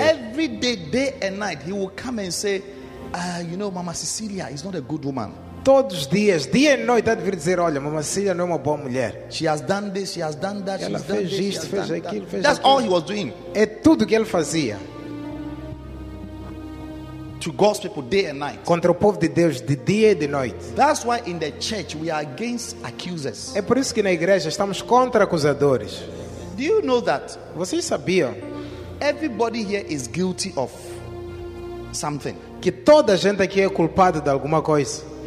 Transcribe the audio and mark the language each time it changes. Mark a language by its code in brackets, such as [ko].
[en] Every day, day and night, he will come and say, you know, Mama Cecilia is not a good woman. [pt] Todos os dias, dia e noite, há de vir dizer, olha, Mama Cecilia não é uma boa mulher. [en] She has done this, she has done that, [pt] ela [en] she's done [pt] fez [en] this, [pt] isto, fez [en] done [pt] aquilo, [en] that. [pt] Fez [en] that's [pt] aquilo. [en] All he was doing. [pt] É tudo que ele fazia. [en] To God's people day and night. [pt] Contra o povo de Deus de dia e de noite. [en] That's why in the church we are against accusers. [pt] É por isso que na igreja estamos contra acusadores. [en] Do you know that? [pt] Vocês sabiam? [en] Everybody here is guilty of something. [pt] Que toda a gente aqui é culpada de alguma coisa.